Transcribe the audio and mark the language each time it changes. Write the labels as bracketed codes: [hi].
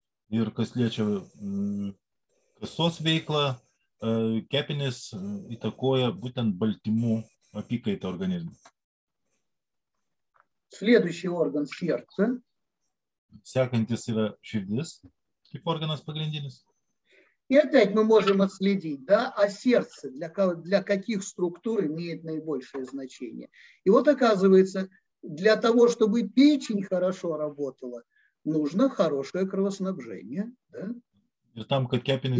[lt] Ir kas liečia kasos veiklą, kepenis įtakoja būtent baltymų apykaitą organizme. [ru] Следующий орган – сердце. [lt] Sekantis yra širdis, kaip organas pagrindinis. [ru] И опять мы можем отследить, да, а сердце для каких структур имеет наибольшее значение. И вот оказывается, для того, чтобы печень хорошо работала, нужно хорошее кровоснабжение, да? И там, как кепенис...